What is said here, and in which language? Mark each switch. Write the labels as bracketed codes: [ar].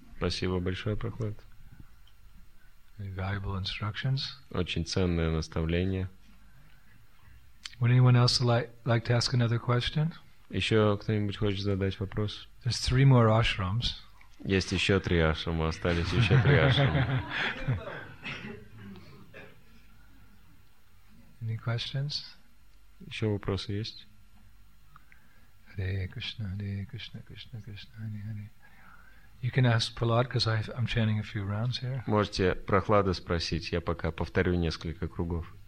[ru] Спасибо большое, Прохлад. [en] Valuable instructions. [ru] Очень ценное наставление. [en] Would anyone else like to ask another question? [ru] Еще кто-нибудь хочет задать вопрос? [en] There's three more ashrams. [ru] Есть еще три ашрама, остались еще три ашрама. [en] Any questions? [ru] Еще вопросы есть? [sa] Hare Krishna, Krishna, Krishna, Hare Hare. [en] You can ask Prahlad, because I'm chanting a few rounds here. [ru] Можете Прохлада спросить, я пока повторю несколько кругов.